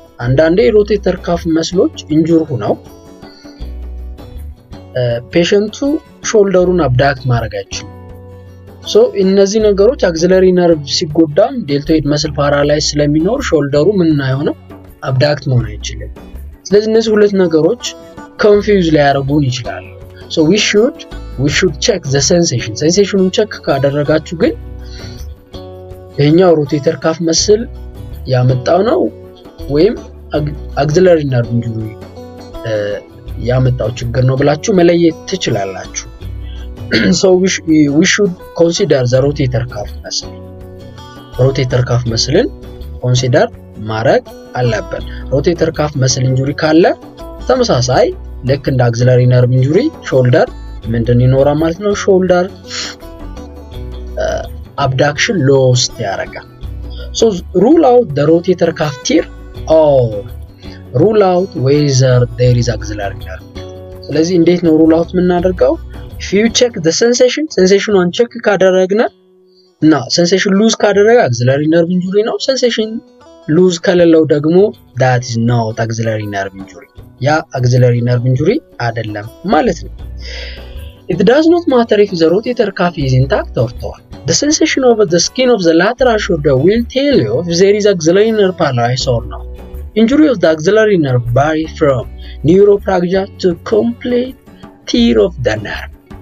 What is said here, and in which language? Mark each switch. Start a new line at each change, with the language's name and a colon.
Amharic: አንዳንዴ rotator cuff muscles injure ሆነው patientu shoulderun abduct ማረጋችሁ. So እነዚህ ነገሮች axillary nerve ሲጎዳ deltoid muscle paralysis ስለሚኖር shoulderu ምንና ይሆነው abduct መሆን አይችልም. ስለዚህ እነዚህ ሁለት ነገሮች confuse ሊያረጉን ይችላሉ.
English: So we should check the sensation.
Amharic: Sensationun check ካደረጋችሁ ግን የኛው rotator cuff muscle ያመጣው ነው ወይም axillary nerve injury ያመጣው ችግር ነው ብላችሁ መለየት ትችላላችሁ.
English: So we should consider the rotator cuff muscle.
Amharic: Rotator cuff muscle-ን consider ማድረግ አለብን. Rotator cuff muscle injury ካለ ተመሳሳይ ልክ እንደ axillary nerve injury shoulder ምንድን ይኖራ ማለት ነው? Shoulder abduction lost ያረጋ.
English: So rule out the rotator cuff tear or rule out whether there is axillary nerve.
Amharic: ስለዚህ እንዴት ነው rule out ምናደርገው?
English: If you check the sensation on check
Amharic: ካደረግነ እና
English: sensation lose
Amharic: ካደረገ
English: axillary nerve injury ነው. Sensation lose
Amharic: ከሌለው ደግሞ
English: that is not axillary nerve injury.
Amharic: ያ axillary nerve injury አይደለም ማለት ነው.
English: It does not matter if the rotator cuff is intact or torn. The sensation over the skin of the lateral shoulder will tell you if there is axillary nerve paralysis or not. Injury of the axillary nerve vary from neurofracture to complete tear of the nerve.